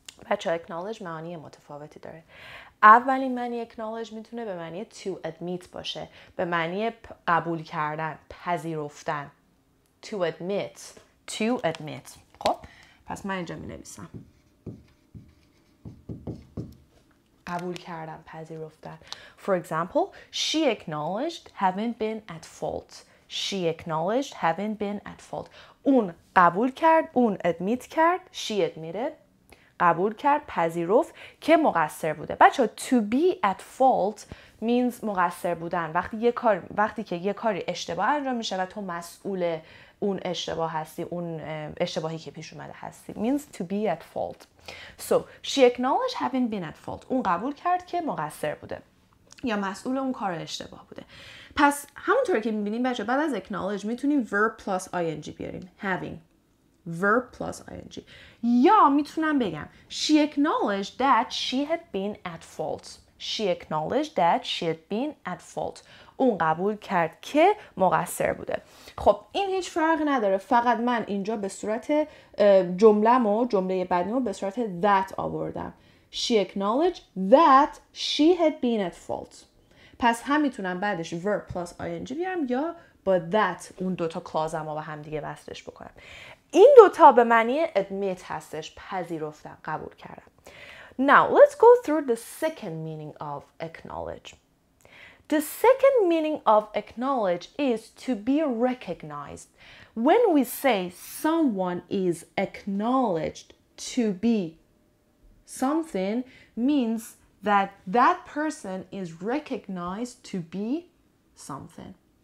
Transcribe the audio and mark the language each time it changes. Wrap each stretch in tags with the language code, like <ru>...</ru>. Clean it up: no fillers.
<fa>بچه acknowledge معانی متفاوتی داره. اولین معنی acknowledge میتونه به معنی to admit باشه، به معنی قبول کردن، پذیرفتن.</fa> <en>To admit.</en> <fa>خب پس من اینجا مینویسم قبول کردن، پذیرفتن.</fa> <en>For example, she acknowledged having been at fault.</en> <fa>اون قبول کرد، اون admit کرد،</fa> <en>she admitted،</en> <fa>قبول کرد، پذیرفت که مقصر بوده. بچه ها</fa> <en>to be at fault means</en> <fa>مقصر بودن. وقتی که یه کاری اشتباه انجام میشه و تو مسئول اون اشتباه هستی، اون اشتباهی که پیش اومده هستی،</fa> <en>means to be at fault. So she acknowledged having been at fault.</en> <fa>اون قبول کرد که مقصر بوده یا مسئول اون کار اشتباه بوده. پس همونطور که میبینیم بچه بعد از acknowledge میتونیم verb plus ing بیاریم. Having.</fa> <en>Verb plus ing.</en> <fa>یا میتونم بگم</fa> <en>she acknowledged that she had been at fault. She acknowledged that she had been at fault.</en> <fa>اون قبول کرد که مقصر بوده. خب این هیچ فرق نداره، فقط من اینجا به صورت جمله بعدیمو به صورت that آوردم.</fa> <en>She acknowledged that she had been at fault.</en> <fa>پس هم میتونم بعدش verb plus ing بیارم یا با that اون دوتا کلازم رو به هم دیگه وصلش بکنم. این دوتا به معنی admit هستش، پذیرفتن، قبول کردن.</fa> <en>Now let's go through the second meaning of acknowledge. The second meaning of acknowledge is to be recognized. When we say someone is acknowledged to be something, means that that person is recognized to be something.</en>